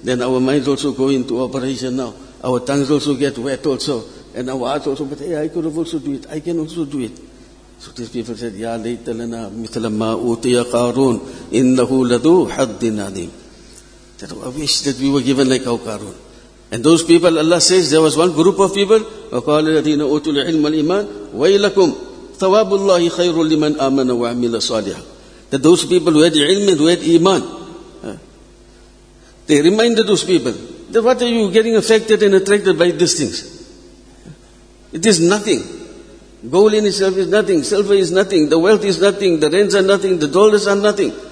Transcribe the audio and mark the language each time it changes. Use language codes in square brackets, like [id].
[en] Then our minds also go into operation now. Our tongues also get wet also. And our hearts also, but hey, I could have also do it. I can also do it. So these people said, [ar] Ya layta lana mithla ma utiya Karun, innahu ladu haddin adim. [en] That I wish that we were given like our Karun. And those people, Allah says, there was one group of people, [ar] وَقَالَ الَّذِينَ أُوتُوا الْعِلْمَ الْإِيمَانِ وَيْلَكُمْ ثَوَابُ اللَّهِ خَيْرٌ لِمَنْ آمَنَ وَعَمِلَ صَالِحًا. [en] That those people who had ilm and who had iman, they reminded those people, that what are you getting affected and attracted by these things? It is nothing. Gold in itself is nothing. Silver is nothing. The wealth is nothing. The rents are nothing. The dollars are nothing.